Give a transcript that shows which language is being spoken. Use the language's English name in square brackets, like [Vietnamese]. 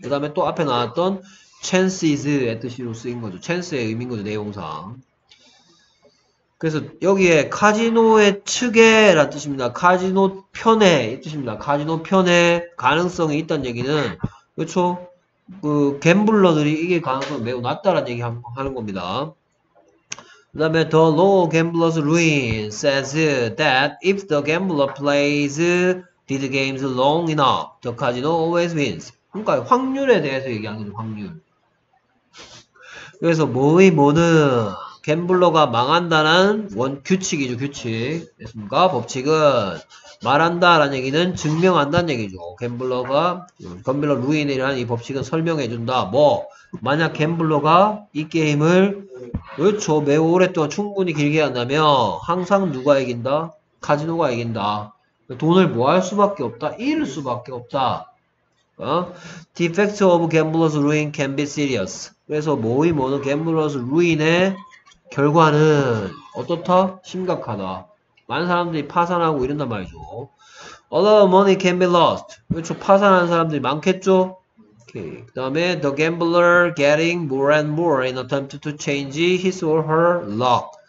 [Korean] 그 다음에 또 앞에 나왔던 chances의 뜻으로 쓰인 거죠. chance의 의미인 거죠. 내용상. 그래서 여기에 카지노의 측에 라는 뜻입니다. 카지노 편에 이 뜻입니다. 카지노 편에 가능성이 있다는 얘기는 그렇죠? 그 갬블러들이 이게 가능성이 매우 낮다라는 얘기 하는 겁니다. 그 다음에 [English] The law gambler's ruin says that if the gambler plays these games long enough, the casino always wins. [Korean] 그러니까 확률에 대해서 얘기하는 거죠. 확률. 그래서 뭐의 뭐는 갬블러가 망한다는 원 규칙이죠. 규칙. 됐습니까? 법칙은 말한다라는 얘기는 증명한다는 얘기죠. 갬블러 루인이라는 이 법칙은 설명해준다. 뭐 만약 갬블러가 이 게임을 그렇죠 매우 오랫동안 충분히 길게 한다면 항상 누가 이긴다? 카지노가 이긴다. 돈을 뭐할 수밖에 없다? 잃을 수밖에 없다. [English] The effect of gambler's ruin can be serious. [Korean] 그래서 뭐의 뭐는 gambler's ruin의 결과는 어떻다? 심각하다. 많은 사람들이 파산하고 이런단 말이죠. [English] A lot of money can be lost. 그렇죠. [Korean] 파산하는 사람들이 많겠죠? 오케이. 그 다음에 [English] The gambler getting more and more in attempt to change his or her luck.